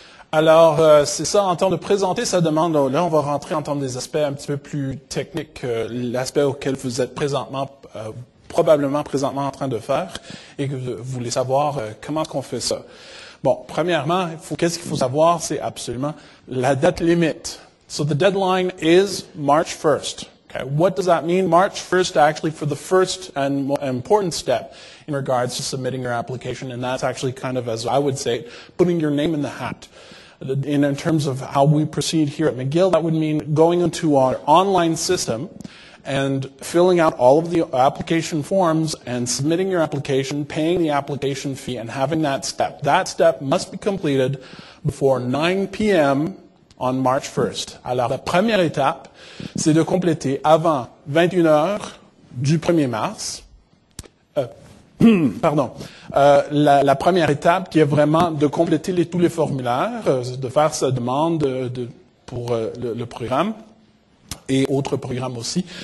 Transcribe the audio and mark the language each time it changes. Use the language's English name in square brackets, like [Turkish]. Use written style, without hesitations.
[French] Alors, c'est ça, en temps de présenter sa demande, là on va rentrer en termes des aspects un petit peu plus techniques que l'aspect auquel vous êtes présentement, probablement présentement en train de faire, et que vous voulez savoir comment qu'on fait ça. Bon, premièrement, qu'est-ce qu'il faut savoir, c'est absolument la date limite. [English] So the deadline is March 1st. Okay, what does that mean? March 1st, actually, for the first and more important step in regards to submitting your application, and that's actually kind of, as I would say, putting your name in the hat. In terms of how we proceed here at McGill, that would mean going into our online system and filling out all of the application forms and submitting your application, paying the application fee, and having that step. That step must be completed before 9 p.m. on March 1st. [French] Alors, la première étape, c'est de compléter avant 21h du 1er mars. La première étape qui est vraiment de compléter tous les formulaires, de faire sa demande pour le programme et autres programmes aussi.